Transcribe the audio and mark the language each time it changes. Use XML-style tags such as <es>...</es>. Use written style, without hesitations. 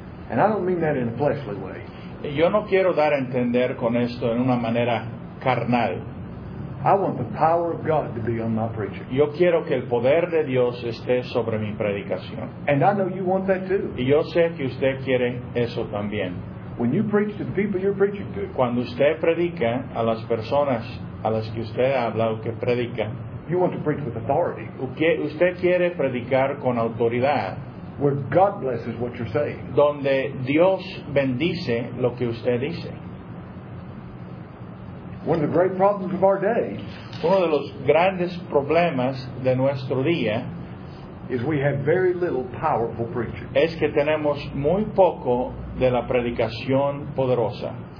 <en>And I don't mean that in a fleshly way.</en> <es>Yo no quiero dar a entender con esto en una manera carnal.</es> <en>I want the power of God to be on my preaching.</en> <es>Yo quiero que el poder de Dios esté sobre mi predicación.</es> <en>And I know you want that too.</en> <es>Y yo sé que usted quiere eso también.</es> <en>When you preach to the people you're preaching to,</en> <es>cuando usted predica a las personas a las que usted habla o que predica,</es> <en>you want to preach with authority.</en> <es>Usted quiere predicar con autoridad.</es> <en>Where God blesses what you're saying.</en> <es>Donde Dios bendice lo que usted dice.</es> <en>One of the great problems of our day.</en> <es>Uno de los grandes problemas de nuestro día</es> <en>is we have very little powerful preaching.</en> <es>Es que tenemos muy poco de la predicación poderosa.</es>